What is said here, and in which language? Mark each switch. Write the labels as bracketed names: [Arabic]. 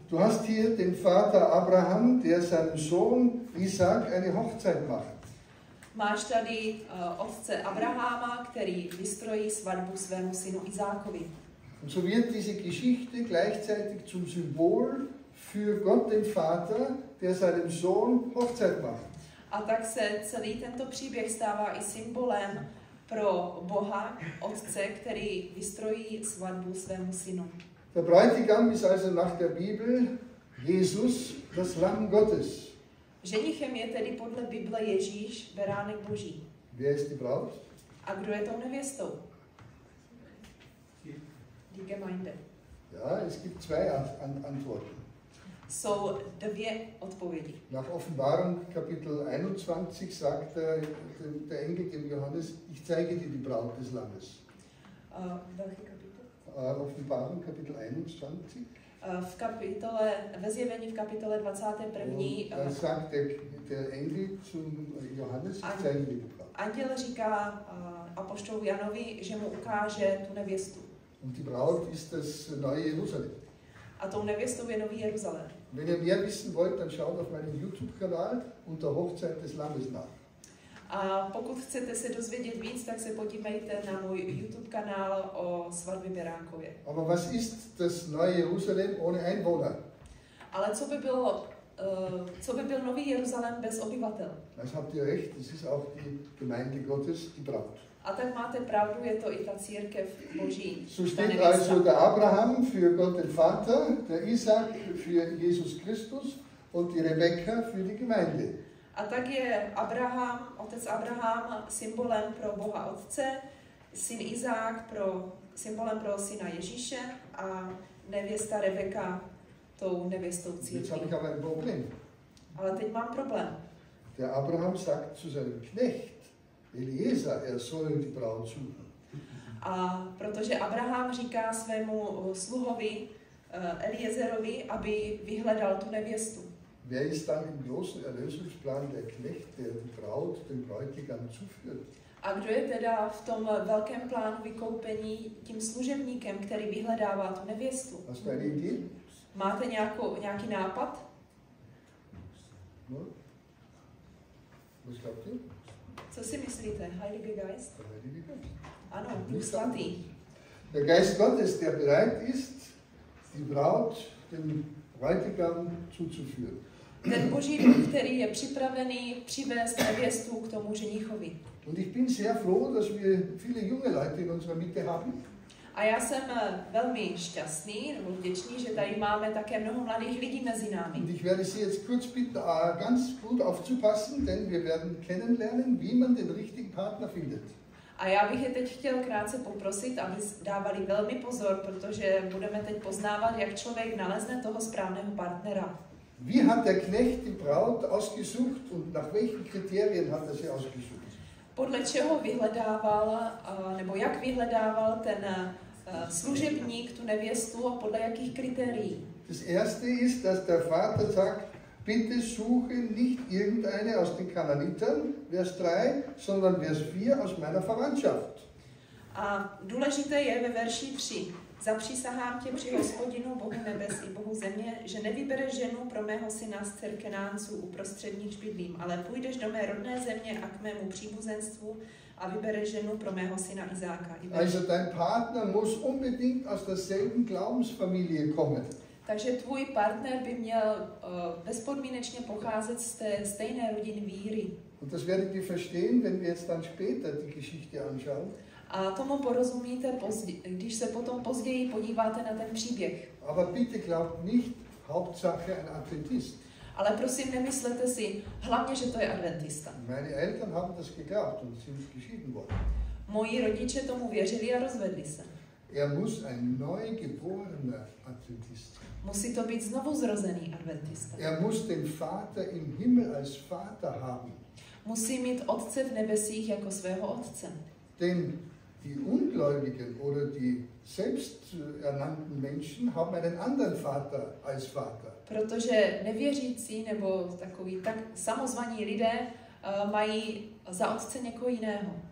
[German] Du hast hier den Vater Abraham, der seinem Sohn Isaac eine Hochzeit macht. [Czech] Máš tady otce Abrahama, který vystrojí svatbu svému synu Izákovi. [German] Und so wird diese Geschichte gleichzeitig zum Symbol für Gott den Vater, der seinem Sohn Hochzeit macht. [Czech] A tak se celý tento příběh stává i symbolem pro Boha, Otce, který vystrojí svatbu svému synu. [German] Der Bräutigam ist also nach der Bibel Jesus, das Lamm Gottes. [Czech] Ženichem je tedy podle Bible Ježíš, beránek Boží. [German] Wer ist die Braut? [Czech] A kdo je tou nevěstou? [German] Die Gemeinde. Ja, es gibt zwei Antworten. [Czech] So, dvě odpovědi. [German] Nach Offenbarung Kapitel 21 sagt der Engel dem Johannes, ich zeige dir die Braut des Lammes. Welche Kapitel? Offenbarung Kapitel 21. [Czech] V kapitole, ve zjevení v kapitole 21. [German] Und da sagt der Engel zum Johannes, ich zeige dir die Braut. [Czech] Anděl říká apoštolu Janovi, že mu ukáže tu nevěstu. [German] Und die Braut ist das neue Jerusalem. [Czech] A tou nevěstou je nový Jeruzalém. [German] Wenn ihr mehr wissen wollt, dann schaut auf meinen YouTube-Kanal unter Hochzeit des Lammes nach. [Czech] A pokud chcete se dozvědět víc, tak se podívejte na můj YouTube-kanál o svatbě Beránkově. [German] Aber was ist das neue Jerusalem ohne Einwohner? [Czech] Ale co by bylo, co by byl nový Jeruzalém bez obyvatel? [German] Das habt ihr recht, das ist auch die Gemeinde Gottes, die Braut. [Czech] A tak máte pravdu, je to i ta církev Boží. [German] So steht also der Abraham für Gott den Vater, der Isaac für Jesus Christus und die Rebekka für die Gemeinde. [Czech] A tak je Abraham, otec Abraham, symbolem pro Boha Otce, syn Izák pro symbolem pro syna Ježíše a nevěsta Rebeka tou nevěstou církví. Ale teď mám problém. [German] Der Abraham sagt zu seinem Knecht Eliezer, er soll die Braut suchen. [Czech] A protože Abraham říká svému sluhovi Eliezerovi, aby vyhledal tu nevěstu. [German] Wer ist dann im großen Erlösungsplan der Knecht, der die Braut dem Bräutigam zuführt? [Czech] A kdo je teda v tom velkém plánu vykoupení tím služebníkem, který vyhledává tu nevěstu? [German] Hast du eine Idee? [Czech] Máte nějaký nápad? [German] No. Was glaubt ihr? [Czech] Co si myslíte? [German] Heilige Geist? Heilige Geist. [Czech] Ano, Duch Svatý. [German] Der Geist Gottes, der bereit ist, die Braut dem Bräutigam zuzuführen. [Czech] Ten Boží Duch, který je připravený přivést nevěstu k tomu ženichovi. [German] Und ich bin sehr froh, dass wir viele junge Leute in unserer Mitte haben. [Czech] A já jsem velmi šťastný, nebo vděčný, že tady máme také mnoho mladých lidí mezi námi. [German] Und ich werde Sie jetzt kurz bitten, ganz gut aufzupassen, denn wir werden kennenlernen, wie man den richtigen Partner findet. [Czech] A já bych je teď chtěl krátce poprosit, aby dávali velmi pozor, protože budeme teď poznávat, jak člověk nalezne toho správného partnera. [German] Wie hat der Knecht die Braut ausgesucht und nach welchen Kriterien hat er sie ausgesucht? [Czech] Podle čeho vyhledával, nebo jak vyhledával ten služebník tu nevěstu a podle jakých kritérií? [German] Das erste ist, dass der Vater sagt, bitte suche nicht irgendeine aus den Kananitern, Vers 3, sondern Vers 4 aus meiner Verwandtschaft. [Czech] A důležité je ve verši 3. Zapřísahám tě při Hospodinu, Bohu nebes i Bohu země, že nevybereš ženu pro mého syna z Cerkenánců uprostředních bydlím, ale půjdeš do mé rodné země a k mému příbuzenstvu a vybereš ženu pro mého syna Izáka. [German] Also dein Partner muss unbedingt aus derselben Glaubensfamilie kommen. [Czech] Takže tvůj partner by měl bezpodmínečně pocházet z té stejné rodiny víry. [German] Und das werdet ihr verstehen, wenn wir jetzt dann später die Geschichte anschauen. [Czech] A tomu porozumíte, když se potom později podíváte na ten příběh. [German] Aber bitte glaubt nicht, Hauptsache ein Adventist. [Czech] Ale prosím, nemyslete si, hlavně, že to je adventista. [German] Meine Eltern haben das geglaubt und sind geschieden worden. [Czech] Moji rodiče tomu věřili a rozvedli se. [German] Er muss ein neugeborener Adventist sein. [Czech] Musí to být znovu zrozený adventista. [German] Er muss den Vater im Himmel als Vater haben. [Czech] Musí mít Otce v nebesích jako svého Otce. [German] Denn die Ungläubigen oder die selbsternannten Menschen haben einen anderen Vater als Vater. [Czech] Protože nevěřící nebo takový tak samozvaní lidé mají za otce někoho jiného.